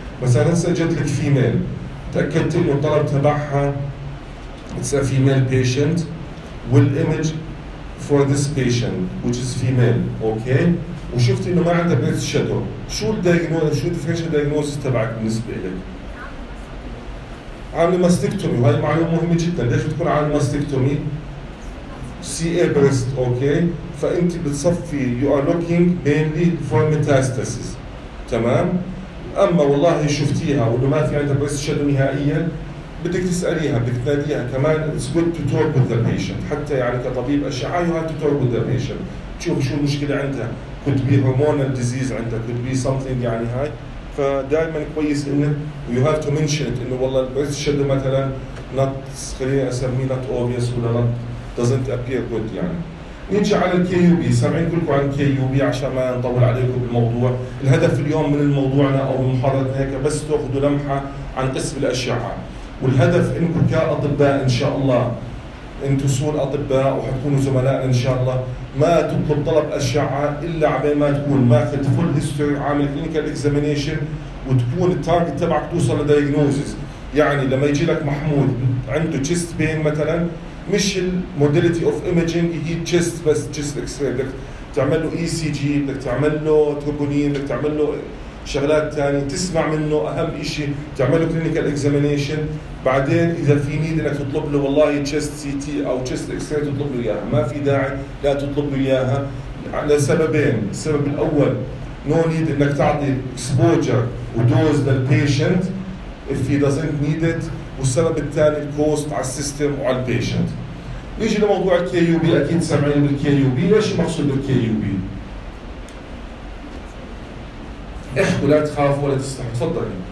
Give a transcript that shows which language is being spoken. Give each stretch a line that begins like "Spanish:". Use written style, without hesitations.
Arabic: بس انا هسه جت لك فيميل تاكدت انه الطلب تبعها
English: It's a female patient with image for this patient which is female, okay.
Arabic: وشفت انه ما عندها بيرث شادو، شو الدايجنوز، شو الديفرنشال دايجنوزس تبعك بالنسبه لك؟ عامله ماستكتومي، وهي معلومه مهمه جدا، ليش بتكون عامله ماستكتومي؟ سي اي بريست، اوكي. فانت بتصفي
English: you are looking mainly for metastasis,
Arabic: تمام. اما والله شفتيها وانه ما في عندها بيرث شادو نهائيا، بدك تسأليها، بدك تناديها كمان
English: it's good to talk with the patient،
Arabic: حتى يعني كطبيب أشعة
English: you have to talk with the patient،
Arabic: تشوف شو المشكلة عندها،
English: could be hormonal disease
Arabic: عندها،
English: could be something
Arabic: يعني هاي. فدائما كويس إنه
English: you have to mention it،
Arabic: إنه والله birth shadow مثلا not، خليني أسميه not obvious ولا
English: not doesn't appear good
Arabic: يعني. نيجي على KUB، سامعين كلكم عن KUB عشان ما نطول عليكم بالموضوع. الهدف اليوم من موضوعنا أو من محاضرتنا هيك بس تأخذوا لمحة عن قسم الأشعة، والهدف انكم كأطباء ان شاء الله انتم صور اطباء وحتكونوا زملاء ان شاء الله، ما تطلب طلب اشعه الا عبين ما تكون ماخذ فول هيستوري عامل كلينيكال اكزامينيشن وتكون التارجت تبعك توصل لدايجنوزيس. يعني لما يجي لك محمود عنده تشيست بين مثلا، مش الموديليتي اوف ايمجينج هي تشيست بس، تشيست اكس راي بدك تعمل له اي سي جي، بدك تعمل له تروبونين، بدك تعمل له شغلات تانية، تسمع منه أهم إشي، تعمله
English: clinical examination،
Arabic: بعدين إذا في نيد إنك تطلب له والله chest CT أو chest X-ray تطلب له إياها. ما في داعي لا تطلب له إياها لسببين. السبب الأول no need إنك تعطي exposure ودose للpatient
English: if he doesn't need it،
Arabic: والسبب الثاني cost على system وعلى patient. نيجي لموضوع KUB، أكيد سمعين بالKUB، ليش مقصود بالKUB؟ احكوا لا تخافوا ولا تستحوا، تفضلي.